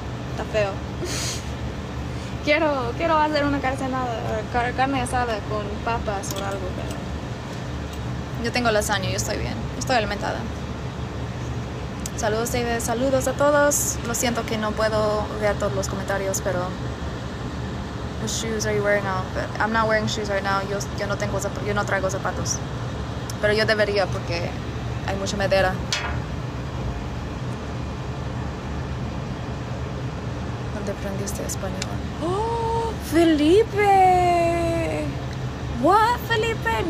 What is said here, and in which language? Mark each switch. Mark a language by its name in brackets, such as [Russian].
[Spanish] Está feo. Quiero hacer una carne asada con papas o algo, pero... Yo tengo lasaña, yo estoy bien. Estoy alimentada. Saludos, David. Saludos a todos. Lo siento que no puedo ver todos los comentarios, pero... [English] What shoes are you wearing now? But I'm not wearing shoes right now. [Spanish] Yo no traigo zapatos. Pero yo debería porque hay mucha madera. ¿Dónde aprendiste español? ¡Oh! ¡Felipe! ¡What, Felipe!